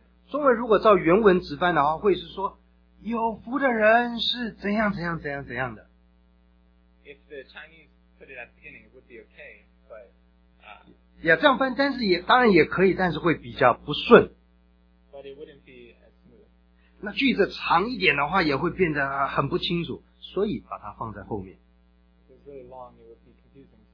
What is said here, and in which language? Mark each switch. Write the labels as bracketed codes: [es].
[zh] 中文如果照原文直翻的话，会是说有福的人是怎样怎样怎样怎样的。 [en] If the Chinese put it at the beginning, it would be okay, but, [zh] 这样翻，但是也当然也可以，但是会比较不顺。 [en] But it wouldn't be as smooth. [zh] 那句子长一点的话，也会变得很不清楚，所以把它放在后面。 [en] If it's really long, it would be confusing.